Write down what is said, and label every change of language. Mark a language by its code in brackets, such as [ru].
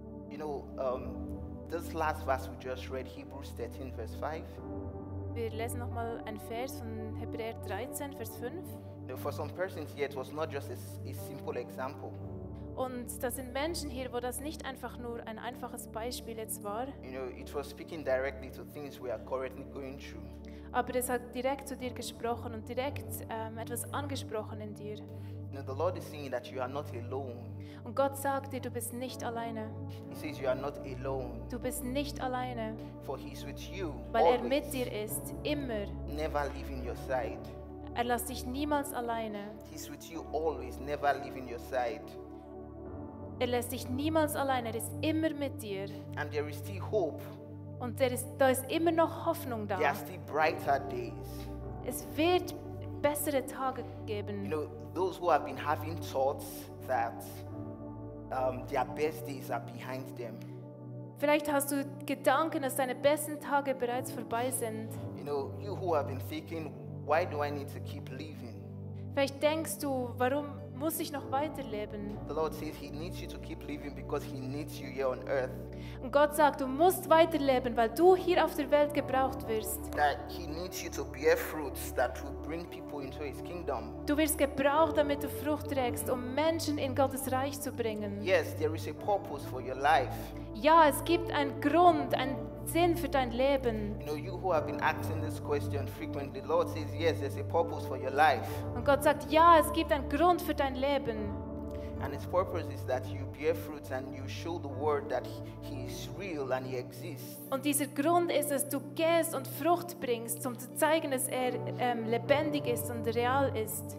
[en] You know, this last verse we just read, Hebrews 13, verse 5. [de] Wir lesen noch mal einen Vers von Hebräer 13, Vers 5. [en] Now for some persons here, it was not just a simple example. [de] Und das sind Menschen hier, wo das nicht einfach nur ein einfaches Beispiel jetzt war. [en] You know, it was speaking directly to things we are currently going through. [de] Aber es hat direkt zu dir gesprochen und direkt etwas angesprochen in dir. [en] Now the Lord is saying that you are not alone. [de] Und Gott sagt dir, du bist nicht alleine. [en] He says you are not alone. [de] Du bist nicht alleine. [en] For he is with you. [de] Weil [en] always. [de] Er mit dir ist, immer. [en] Never leaving your side. [de] Er lässt dich niemals alleine. [en] He is with you always, never leaving your side. [de] Er lässt dich niemals alleine, er ist immer mit dir. [en] And there is still hope. [de] Und da ist immer noch Hoffnung da. [en] There are still brighter days. [de] Es wird bessere Tage geben. [en] You know, those who have been having thoughts that their best days are behind them. [de] Vielleicht hast du Gedanken, dass deine besten Tage bereits vorbei sind. [en] You know, you who have been thinking, why do I need to keep living? [de] Vielleicht denkst du, warum muss ich noch weiterleben? [en] The Lord says he needs you to keep living because he needs you here on earth. [de] Und Gott sagt, du musst weiterleben, weil du hier auf der Welt gebraucht wirst. [en] That he needs you to bear fruits that will bring people into his kingdom. [de] Du wirst gebraucht, damit du Frucht trägst, um Menschen in Gottes Reich zu bringen. [en] Yes, there is a purpose for your life. [de] Ja, es gibt einen Grund, einen Sinn für dein Leben. [en] You know, you who have been asking this question frequently, the Lord says, yes, there's a purpose for your life. [de] Und Gott sagt, ja, es gibt einen Grund für dein Leben. [en] And his purpose is that you bear fruits and you show the world that he is real and he exists. [de] Und dieser Grund ist, dass du gehst und Frucht bringst, um zu zeigen, dass er lebendig ist und real ist.